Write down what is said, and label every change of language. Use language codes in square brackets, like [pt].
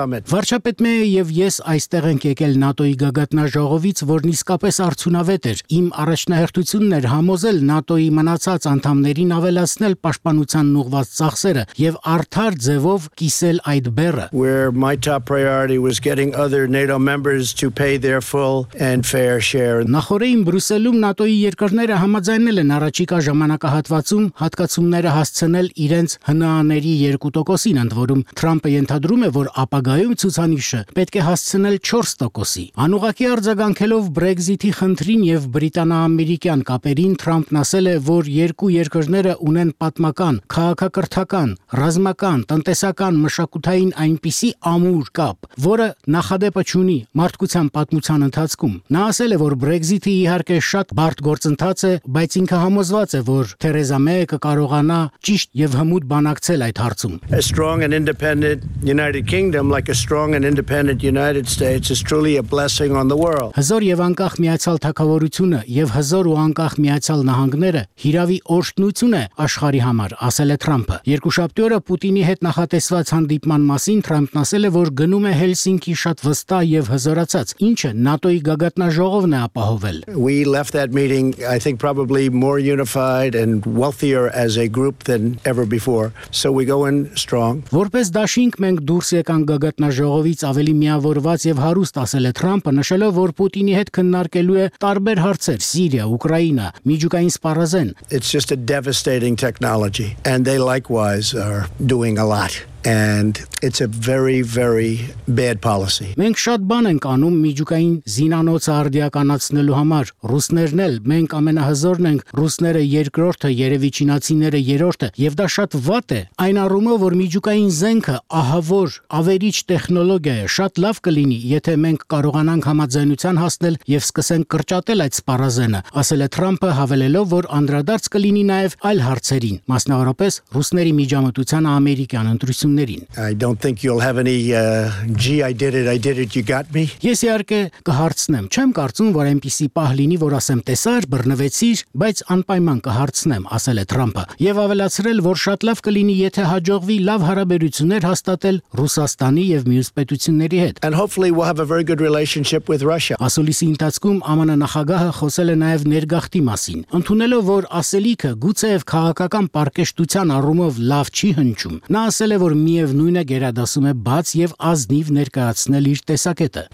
[hy] Վարչապետ Մեյը և ես այստեղ ենք եկել ՆԱՏՕ-ի գագաթնաժողովից, որն իսկապես արդյունավետ էր։ Իմ առաջնահերթությունն էր համոզել ՆԱՏՕ-ի մնացած անդամներին ավելի լասնել պաշտպանության ուղված ծախսերը եւ արդար ձևով կիսել այդ բեռը։ [en] Where my top priority was getting other NATO members to pay their full and fair share. [hy] Նախորդին Բրյուսելում ՆԱՏՕ-ի երկրները համաձայնել են առաջիկա ժամանակահատվածում հատկացումները հասցնել իրենց ՀՆԱ-ների 2%-ին, ընդ որում Թրամփը ենթադրում է, որ ապագայում ցուցանիշը պետք է հասցնել 4%-ի։ Անուղակի արձագանքելով Բրեքզիթի խնդրին եւ Բրիտանա-Ամերիկյան կապերին, Թրամփն ասել է, որ երկու երկրները ունեն պատմական, քաղաքակրթական, ռազմական, տնտեսական, մշակութային այնպիսի ամուր կապ, որը նախադեպը չունի մարդկության պատմության ընթացքում։ Նա ասել է, որ Բրեքզիթը իհարկե շատ բարդ գործընթաց է, բայց ինքը համոզված է, որ Թերեզա Մեյը կարողանա ճիշտ եւ հմուտ բանակցել այդ հարցում։ [en] A strong and independent United Kingdom like a strong and independent United States is truly a blessing on the world. [hy] Հզոր եւ անկախ Միացյալ Թագավորությունը եւ հզոր ու անկախ Միացյալ Նահանգները հիրավի օշնույց ունե աշխարի համար, ասել է Թրամփը։ Երկու շաբթի օրը Պուտինի հետ նախատեսված հանդիպման մասին Թրամփն ասել է, որ գնում է Հելսինկի շատ վստահ եւ հզորացած, ինչը ՆԱՏՕ-ի գագաթնաժողովն է ապահովել։ [en] We left that meeting I think probably more unified and wealthier as a group than ever before. So we go in strong. [hy] Որպես դաշինք մենք դուրս եկանք գագաթնաժողովից ավելի միավորված եւ հարուստ, ասել է Թրամփը, նշելով, որ Պուտինի հետ քննարկելու է տարբեր հարցեր՝ Սիրիա, Ուկրաինա, միջուկային սպառազեն։ [en] It's just a devastating technology and they likewise are doing a lot and it's a very, very bad policy. [hy] Մենք շատ բան ենք անում միջուկային զինանոցը արդիականացնելու համար, ռուսներն էլ, մենք ամենահզորն ենք, ռուսները երկրորդը, երևի չինացիները երրորդը, եւ դա շատ վատ է, այն առումով, որ միջուկային զենքը ահավոր, ավերիչ տեխնոլոգիա է, շատ լավ կլինի, եթե մենք կարողանանք համաձայնության հասնել եւ սկսենք կրճատել այդ սպառազենը, ասել է Թրամփը, հավելելով, որ անդրադարձ կլինի նաեւ այլ հարցերին, մասնավորապես ռուսների միջամտության ամերիկյան ընտրություններին. [en] I don't think you'll have any I did it, you got me. [hy] Ես իհարկե կհարցնեմ, չեմ կարծում, որ այնպիսի պահ լինի, որ ասեմ տեսար, բռնվեցիր, բայց անպայման կհարցնեմ, ասել է Թրամփը, եւ ավելացրել, որ շատ լավ կլինի, եթե հաջողվի լավ հարաբերություններ հաստատել Ռուսաստանի եւ մյուս պետությունների հետ. [en] And hopefully we'll have a very good relationship with Russia. [hy] Ասելիսի ընթացքում ԱՄՆ նախագահը խոսել է նաեւ ներգաղթի մասին, ընդունելով, որ ասելիքը գուցե եւ քաղաքական պարկեշտության առումով լավ չի հնչում։ Նա ասել է, որ միևնույնը գերադասում է բաց եւ ազնիվ ներկայացնել իր տեսակետը.